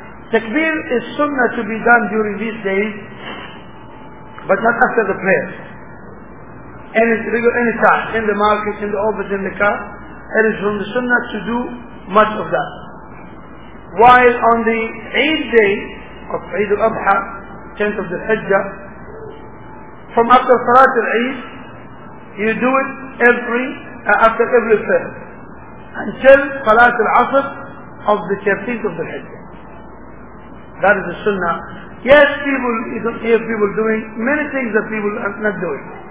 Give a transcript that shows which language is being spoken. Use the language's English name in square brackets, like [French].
[English] Takbir is sunnah to be done during these days, but not after the prayers. Any time, in the market, in the office, in the car, it is from the sunnah to do much of that. While on the Eid day, [Arabic] فقط، عيد الأضحى كانت ذي الحجة. [English] From after صلاة العيد you do it every after every fair until صلاة العصر of the 13th of the حجة. That is the sunnah. Yes, people, you don't hear people doing many things that people are not doing.